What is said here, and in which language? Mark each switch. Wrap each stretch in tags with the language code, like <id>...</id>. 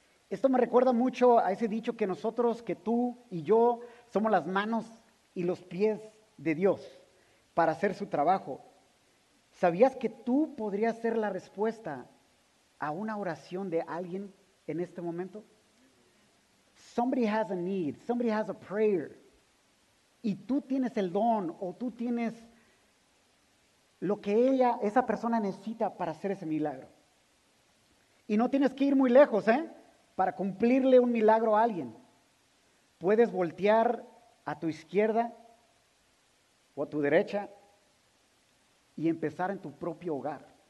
<es>Esto me recuerda mucho a ese dicho que nosotros, que tú y yo, somos las manos y los pies de Dios para hacer su trabajo. ¿Sabías que tú podrías ser la respuesta a una oración de alguien en este momento?</es> <en>Somebody has a need, somebody has a prayer.</en> <es>Y tú tienes el don o tú tienes lo que ella, esa persona necesita para hacer ese milagro. Y no tienes que ir muy lejos, ¿eh? Para cumplirle un milagro a alguien. Puedes voltear a tu izquierda o a tu derecha y empezar en tu propio hogar.</es>